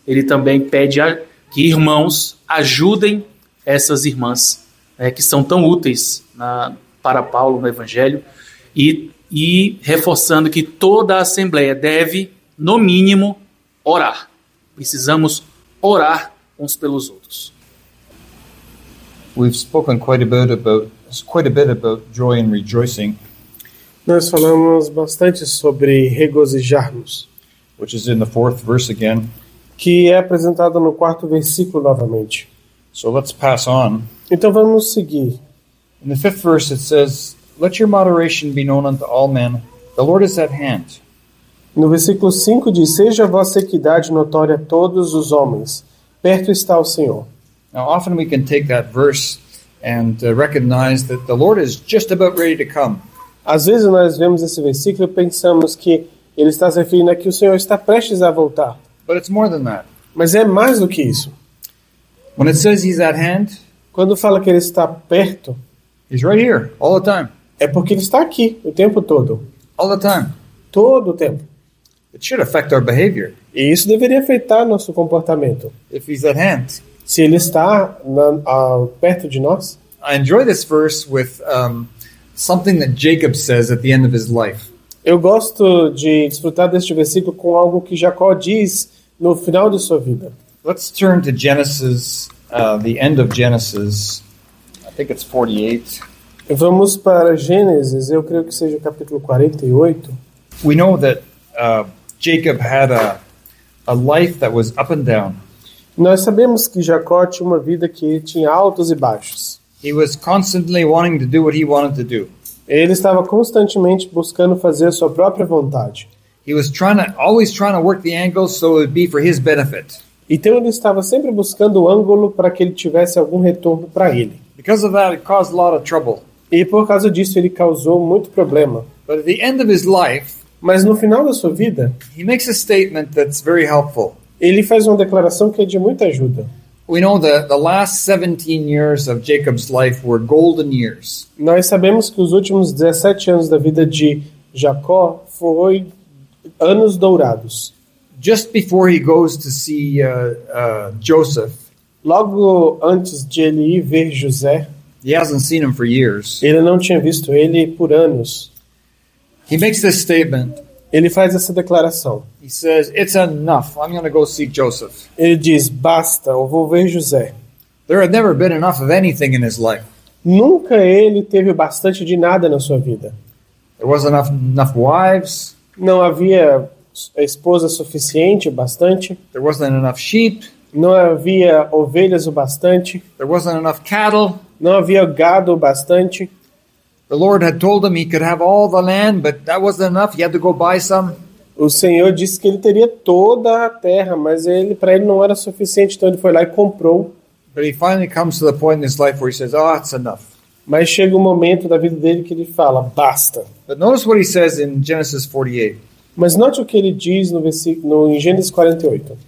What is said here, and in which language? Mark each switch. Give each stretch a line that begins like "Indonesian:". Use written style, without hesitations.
Portuguese: Ele também pede que irmãos ajudem essas irmãs, que são tão úteis para Paulo no Evangelho, e reforçando que toda a assembleia deve, no mínimo, orar. Precisamos orar uns pelos outros.
English: We've spoken quite a bit about joy and rejoicing.
Portuguese: Nós falamos bastante sobre regozijarmos,
English: which is in the fourth verse again,
Portuguese: que é apresentado no quarto versículo novamente.
English: So let's pass on.
Portuguese: Então vamos seguir.
English: In the fifth verse it says, "Let your moderation be known unto all men. The Lord is at hand."
Portuguese: No versículo 5 diz, "Seja a vossa equidade notória a todos os homens. Perto está o Senhor."
English: Now, often we can take that verse and recognize that the Lord is just about ready to come.
Portuguese: Às vezes nós vemos esse versículo e pensamos que ele está se referindo a que o Senhor está prestes a voltar.
English: But it's more than that.
Portuguese: Mas é mais do que isso.
English: When it says he's at hand,
Portuguese: quando fala que ele está perto,
English: he's right here, all the time.
Portuguese: É porque ele está aqui o tempo todo.
English: All the time.
Portuguese: Todo o tempo.
English: It should affect our behavior.
Portuguese: E isso deveria afetar nosso comportamento.
English: If he's at hand.
Portuguese: Se ele está perto de nós.
English: I enjoy this verse with something that Jacob says at the end of his life.
Portuguese: Eu gosto de desfrutar deste versículo com algo que Jacó diz no final de sua vida.
English: Let's turn to Genesis, the end of Genesis. I think it's 48.
Portuguese: Vamos para Gênesis, eu creio que seja o capítulo 48.
English: We know that Jacob had a life that was up and down.
Portuguese: Nós sabemos que Jacó tinha uma vida que tinha altos e baixos.
English: He was constantly wanting to do what he wanted to do.
Portuguese: Ele estava constantemente buscando fazer a sua própria vontade.
English: He was always trying to work the angle so it would be for his benefit.
Portuguese: Então ele estava sempre buscando o ângulo para que ele tivesse algum retorno para ele.
English: Because of that, it caused a lot of trouble.
Portuguese: E por causa disso ele causou muito problema.
English: But at the end of his life,
Portuguese: mas no final da sua vida,
English: he makes a statement that's very helpful.
Portuguese: Ele faz uma declaração que é de muita ajuda.
English: We know that the last 17 years of Jacob's life were golden years.
Portuguese: Nós sabemos que os últimos 17 anos da vida de Jacó foi anos dourados.
English: Just before he goes to see Joseph.
Portuguese: Logo antes de ele ir ver José.
English: He hasn't seen him for years.
Portuguese: Ele não tinha visto ele por anos.
English: He makes this statement.
Portuguese: Ele faz essa declaração.
English: He says, "It's enough. I'm going to go see Joseph."
Portuguese: Ele diz, "Basta, eu vou ver José."
English: There had never been enough of anything in his life.
Portuguese: Nunca ele teve bastante de nada na sua vida.
English: There wasn't enough wives.
Portuguese: Não havia esposa suficiente, bastante.
English: There wasn't enough sheep.
Portuguese: Não havia ovelhas o bastante.
English: There wasn't enough cattle.
Portuguese: Não havia gado o bastante.
English: The Lord had told him he could have all the land, but that wasn't enough. He had to go buy some.
Portuguese: O Senhor disse que ele teria toda a terra, mas ele, para ele, não era suficiente. Então ele foi lá e comprou.
English: But he finally comes to the point in his life where he says, "Oh, it's enough."
Portuguese: Mas chega um momento da vida dele que ele fala, basta.
English: But notice what he says in Genesis 48.
Portuguese: Mas note o que ele diz no versículo em Gênesis 48.